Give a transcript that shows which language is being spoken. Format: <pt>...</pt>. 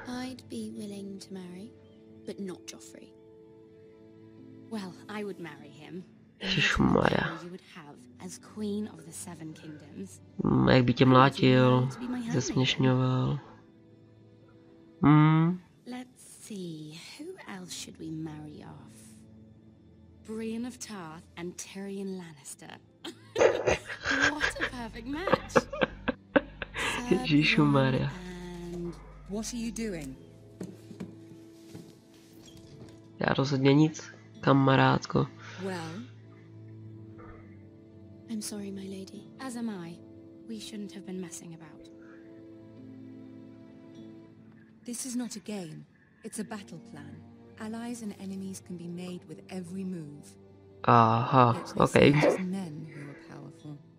<en>I'd be willing to marry, but not Joffrey. Well, I would marry him.</en> <cs>Ježišmarja.</cs> <en>You would have as queen of the seven kingdoms.</en> <cs>Jak by tě mlátil, zesměšňoval.</cs> <en>Let's see, who else should we marry off? Brienne of Tarth and Tyrion Lannister. What a perfect match.</en> <cs>Ježišu Maria.</cs> <en>What are you doing?</en> <cs>Já rozhodně nic, kamarádko.</cs> <en>Well, I'm sorry, my lady. As am I. We shouldn't have been messing about. This is not a game. It's a battle plan. Allies and enemies can be made with every move.</en> <cs>Aha, okay.</cs> <en>Men who are powerful.</en>